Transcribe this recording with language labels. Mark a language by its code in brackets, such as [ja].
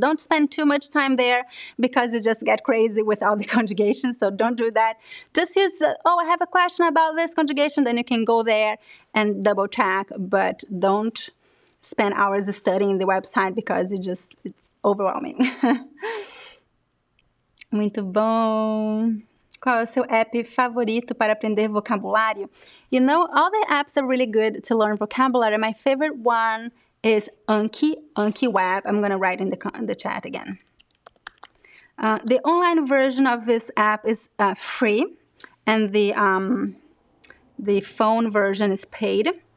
[en] Don't spend too much time there because you just get crazy with all the conjugations, so don't do that. Just use, I have a question about this conjugation, then you can go there and double check, but don't spend hours studying the website because it's overwhelming. [pt] Muito bom. Qual é o seu app favorito para aprender vocabulário? [en] You know, all the apps are really good to learn vocabulary. My favorite one is Anki Web. I'm going to write in the chat again. The online version of this app is free, and the phone version is paid.